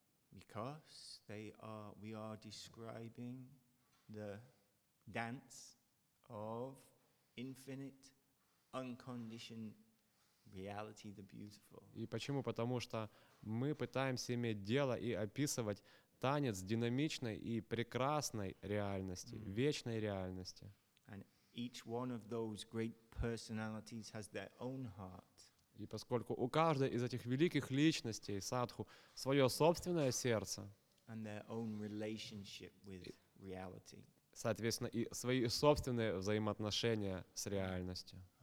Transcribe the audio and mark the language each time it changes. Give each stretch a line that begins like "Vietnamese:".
English: Because we are describing the dance of infinite unconditioned reality, the beautiful.
Russian: И почему? Потому что мы пытаемся иметь дело и описывать танец динамичной и прекрасной реальности, вечной реальности.
English: And each one of those great personalities has their own heart.
Russian: И поскольку у каждой из этих великих личностей, садху, свое собственное сердце,
English: and their own relationship with reality.
Russian: Соответственно, и свои собственные взаимоотношения с реальностью.